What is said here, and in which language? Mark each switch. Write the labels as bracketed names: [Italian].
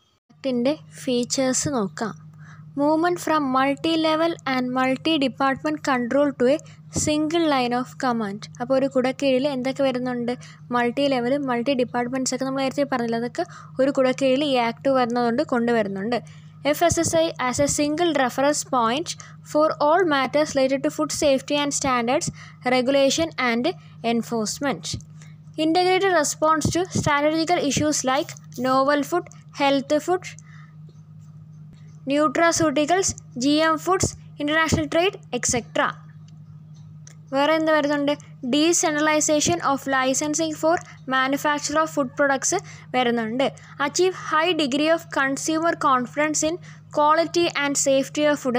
[Malayalam] ആക്ടിൻ്റെ features നോക്കാം. [English] Movement from multi level and multi department control to a single line of command. [Malayalam] അപ്പോൾ ഒരു കുടക്കീഴിൽ എന്തൊക്കെ വരുന്നുണ്ട്? മൾട്ടി ലെവലും മൾട്ടി ഡിപ്പാർട്ട്മെൻറ്റ്സ് ഒക്കെ നമ്മൾ നേരത്തെ പറഞ്ഞില്ല, അതൊക്കെ ഒരു കുടക്കീഴിൽ ഈ ആക്ട് വരുന്നതുകൊണ്ട് കൊണ്ടുവരുന്നുണ്ട്. [English] FSSAI as a single reference point for all matters related to food safety and standards, regulation and enforcement. Integrated response to strategic issues like novel food, health food, nutraceuticals, GM foods, international trade, etc. [Malayalam] വേറെ എന്ത് വരുന്നുണ്ട്? [English] decentralisation of licensing for manufacture of food products [Malayalam] വരുന്നുണ്ട്. [English] Achieve high degree of consumer confidence in quality and safety of food.